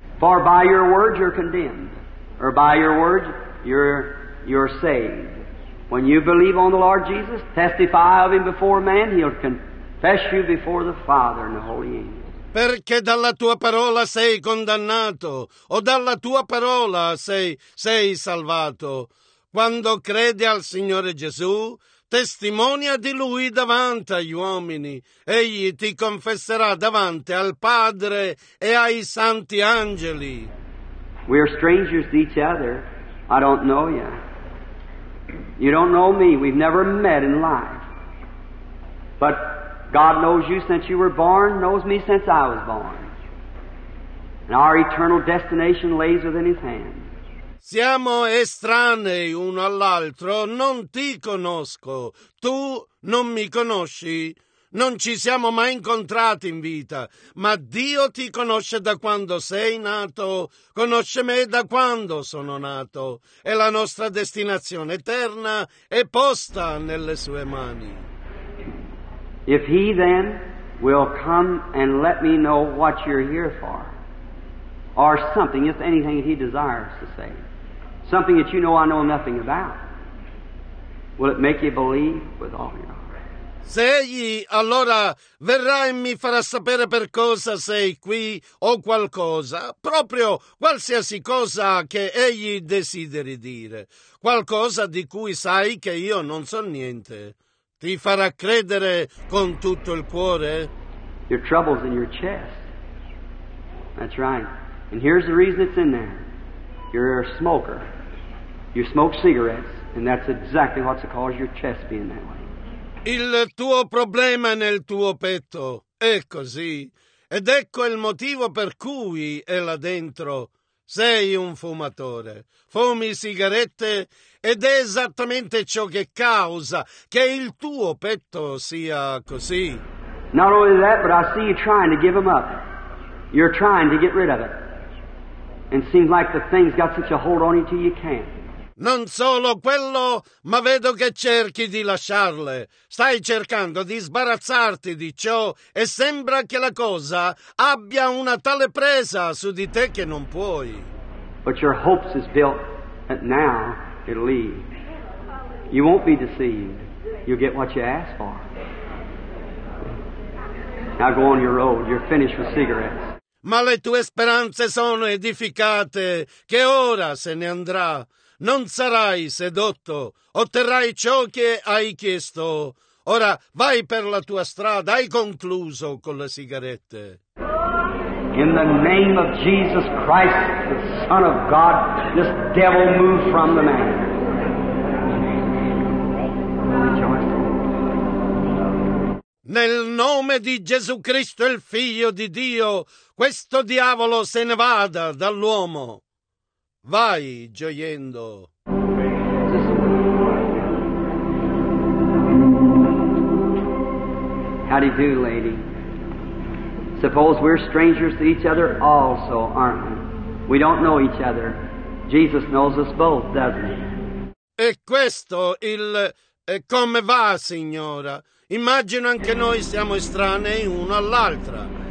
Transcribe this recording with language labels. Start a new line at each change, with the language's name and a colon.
English: For by your word you're condemned, or by your word you're saved. When you believe on the Lord Jesus, testify of him before man, he'll confess you before the Father and the Holy Angels.
Italian: Perché dalla tua parola sei condannato, o dalla tua parola sei salvato. Quando credi al Signore Gesù, testimonia di Lui davanti agli uomini. Egli ti confesserà davanti al Padre e ai santi angeli.
English: We are strangers to each other. I don't know you. You don't know me. We've never met in life. But God knows you since you were born, knows me since I was born. And our eternal destination lays within his hand.
Italian: Siamo estranei uno all'altro, non ti conosco. Tu non mi conosci. Non ci siamo mai incontrati in vita. Ma Dio ti conosce da quando sei nato. Conosce me da quando sono nato. E la nostra destinazione eterna è posta nelle sue mani.
English: If he then will come and let me know what you're here for, or something, if anything that he desires to say, something that you know I know nothing about, will it make you believe with all your heart?
Italian: Se egli allora verrà e mi farà sapere per cosa sei qui o qualcosa, proprio qualsiasi cosa che egli desideri dire, qualcosa di cui sai che io non so niente. Ti farà credere con tutto il cuore?
English: Your trouble's in your chest. That's right. And here's the reason it's in there. You're a smoker. You smoke cigarettes, and that's exactly what's the cause of your chest being that way.
Italian: Il tuo problema nel tuo petto è così. Ed ecco il motivo per cui è là dentro. Sei un fumatore, fumi sigarette ed è esattamente ciò che causa che il tuo petto sia così.
English: Not only that, but I see you trying to give them up. You're trying to get rid of it. And it seems like the thing's got such a hold on you till you can't.
Italian: Non solo quello, ma vedo che cerchi di lasciarle. Stai cercando di sbarazzarti di ciò e sembra che la cosa abbia una tale presa su di te che non puoi.
English: But your hopes is built that now it'll leave. You won't be deceived. You'll get what you ask for. Now go on your road. You're finished with cigarettes.
Italian: Ma le tue speranze sono edificate, che ora se ne andrà. Non sarai sedotto, otterrai ciò che hai chiesto. Ora vai per la tua strada, hai concluso con le sigarette. In the name of Jesus Christ, the Son of God, this devil move from the man. Nel nome di Gesù Cristo, il Figlio di Dio, questo diavolo se ne vada dall'uomo. Vai gioiendo.
English: How do you do, lady? Suppose we're strangers to each other also, aren't we? We don't know each other. Jesus knows us both, doesn't he?
Italian: E questo il... come va, signora? Immagino anche noi siamo estranei uno all'altra.